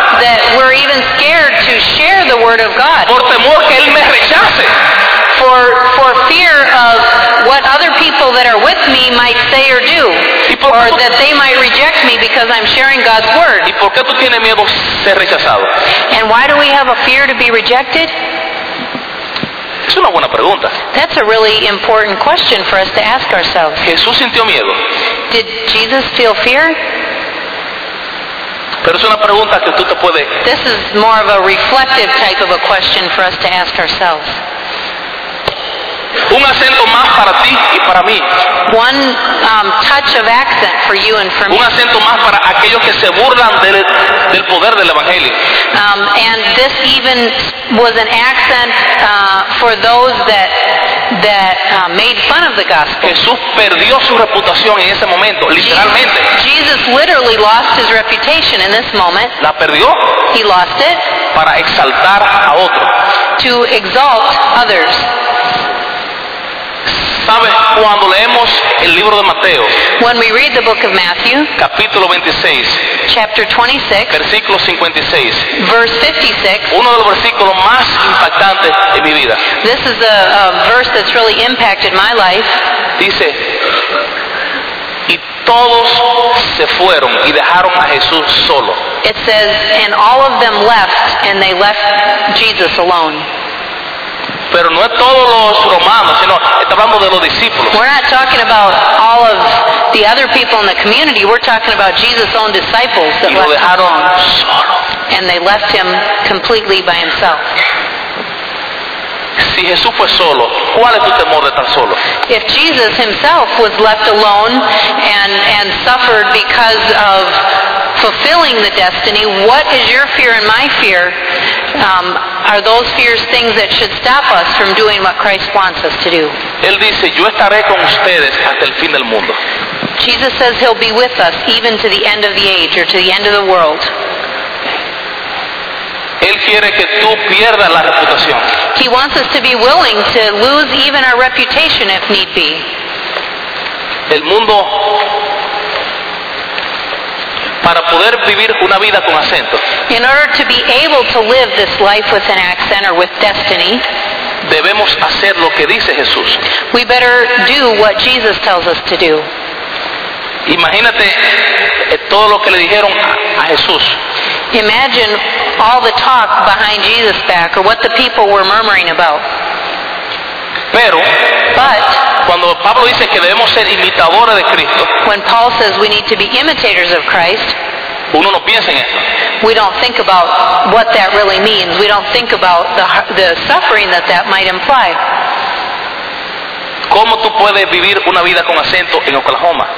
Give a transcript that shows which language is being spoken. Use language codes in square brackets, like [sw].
[en] That we're even scared to share the word of God. [es] Por temor que él me rechace. [en] For fear of what other people that are with me might say or do, or that they might reject me because I'm sharing God's word. [es] ¿Y por qué tú tienes miedo ser rechazado? [en] And why do we have a fear to be rejected? [es] Es una buena pregunta. [en] That's a really important question for us to ask ourselves. [es] ¿Jesús sintió miedo? [en] Did Jesus feel fear? [es] Pero es una pregunta que tú te puedes. [en] This is more of a reflective type of a question for us to ask ourselves. [es] Un acento más para ti y para mí. [en] One touch of accent for you and for me. [es] Un acento más para aquellos que se burlan del poder del evangelio. [en] And this even was an accent for those that made fun of the gospel. [es] Jesús perdió su reputación en ese momento, literalmente. [en] Jesus literally lost his reputation in this moment. [es] La perdió. [en] He lost it. [es] Para exaltar a otro. [en] To exalt others. [es] ¿Sabes? Cuando leemos el libro de Mateo, [en] when we read the book of Matthew, [es] capítulo 26, [en] chapter 26, [es] versículo 56, [en] verse 56, [es] uno de los versículos más impactantes en mi vida. [en] This is a verse that's really impacted my life. [es] Dice, y todos se fueron y dejaron a Jesús solo. [en] It says, and all of them left, and they left Jesus alone. [es] Pero no es todos los romanos, sino está hablando de los discípulos. [en] We're not talking about all of the other people in the community. We're talking about Jesus' own disciples that left him. And they left him completely by himself. [es] Si Jesús fue solo, ¿cuál es tu temor de estar solo? [en] If Jesus himself was left alone and suffered because of fulfilling the destiny, what is your fear and my fear? Are those fears things that should stop us from doing what Christ wants us to do? [es] Él dice, yo estaré con ustedes hasta el fin del mundo. [en] Jesus says he'll be with us even to the end of the age or to the end of the world. [es] Él quiere que tú pierdas la reputación. [en] He wants us to be willing to lose even our reputation if need be. [es] El mundo, para poder vivir una vida con acento, [en] in order to be able to live this life with an accent or with destiny, [es] debemos hacer lo que dice Jesús. [en] We better do what Jesus tells us to do. [es] Imagínate todo lo que le dijeron a Jesús. [en] Imagine all the talk behind Jesus' back or what the people were murmuring about. [es] Pero, [en] but [es] cuando Pablo dice que debemos ser imitadores de Cristo, [en] when Paul says we need to be imitators of Christ, [es] uno no piensa en eso. [en] We don't think about what that really means. We don't think about the suffering that might imply. [es] ¿Cómo tú puedes vivir una vida con acento en Oklahoma?